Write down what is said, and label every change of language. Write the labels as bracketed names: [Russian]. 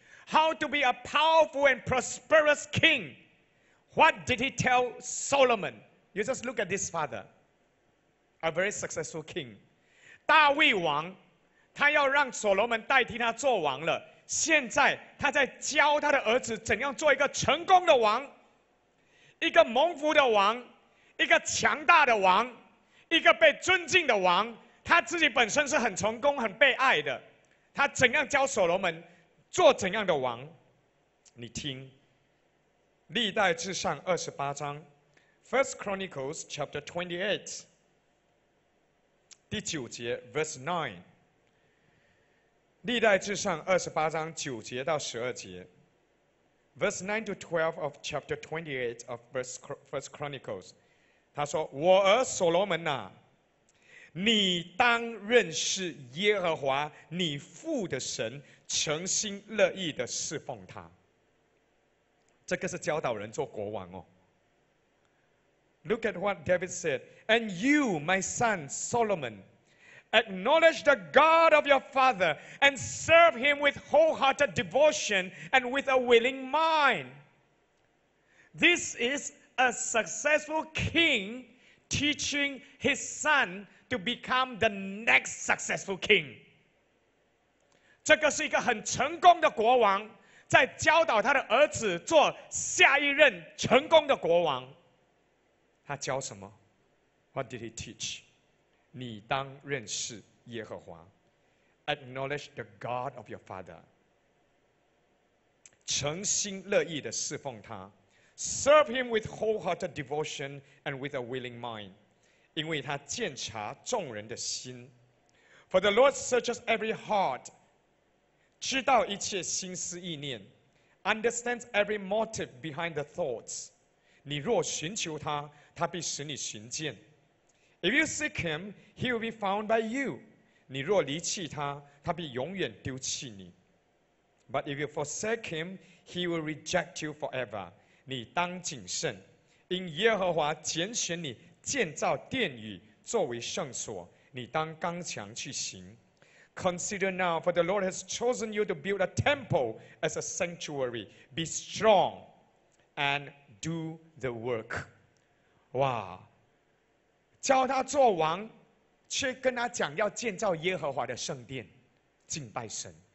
[English] How to be a powerful and prosperous king? What did he tell Solomon? You just look at this father, a very successful king. [Chinese] 大卫王，他要让所罗门代替他做王了。现在他在教他的儿子怎样做一个成功的王，一个蒙福的王，一个强大的王，一个被尊敬的王。他自己本身是很成功、很被爱的。他怎样教所罗门做怎样的王？你听。历代志上二十八章 ， [English] First Chronicles chapter 28, [Chinese] 第九节 [English] verse 9。 [Chinese] 历代志上二十八章九节到十二节 [English] ，verse 9 to 12 of chapter 28 of First Chronicles。 [Chinese] 他说：“我儿所罗门啊，你当认识耶和华你父的神，诚心乐意的侍奉他。” 这个是教导人做国王哦。 [English] Look at what David said. And you, my son Solomon, acknowledge the God of your father and serve him with wholehearted devotion and with a willing mind. This is a successful king teaching his son to become the next successful king. [Chinese] 这个是一个很成功的国王在教导他的儿子做下一任成功的国王。他教什么？ [English] What did he teach? [Chinese] 你当认识耶和华。 [English] Acknowledge the God of your father. [Chinese] 诚心乐意的侍奉他。 [English] Serve him with wholehearted devotion and with a willing mind. [Chinese] 因为他鉴察众人的心。 [English] For the Lord searches every heart. [Chinese] 知道一切心思意念。 [English] Understands every motive behind the thoughts. [Chinese] 你若寻求他，他必使你寻见。 [English] If you seek him, he will be found by you. [Chinese] 你若离弃他，他必永远丢弃你。 [English] But if you forsake him, he will reject you forever. [Chinese] 你当谨慎，因耶和华拣选你，建造殿宇，作为圣所，你当刚强去行。 [English] Consider now, for the Lord has chosen you to build a temple as a sanctuary. Be strong and do the work. [Chinese] 哇，教他做王，却跟他讲要建造耶和华的圣殿，敬拜神。